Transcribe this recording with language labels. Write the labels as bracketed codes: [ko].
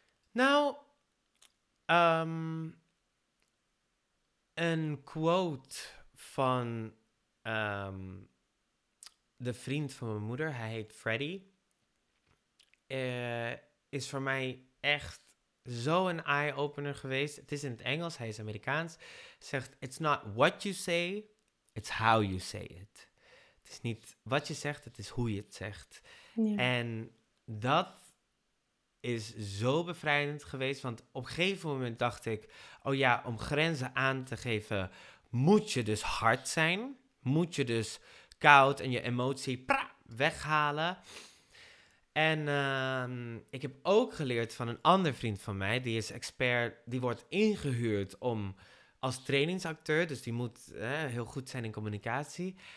[nl] Nou, een quote van de vriend van mijn moeder, hij heet Freddy, is voor mij echt zo een eye-opener geweest. Het is in het Engels, hij is Amerikaans. [en] Zegt, it's not what you say, it's how you say it. [nl] Het is niet wat je zegt, het is hoe je het zegt. Ja. En dat is zo bevrijdend geweest, want op een gegeven moment dacht ik, oh ja, om grenzen aan te geven, moet je dus hard zijn. Moet je dus koud en je emotie weghalen. En ik heb ook geleerd van een ander vriend van mij, die is expert, die wordt ingehuurd om als trainingsacteur, dus die moet heel goed zijn in communicatie.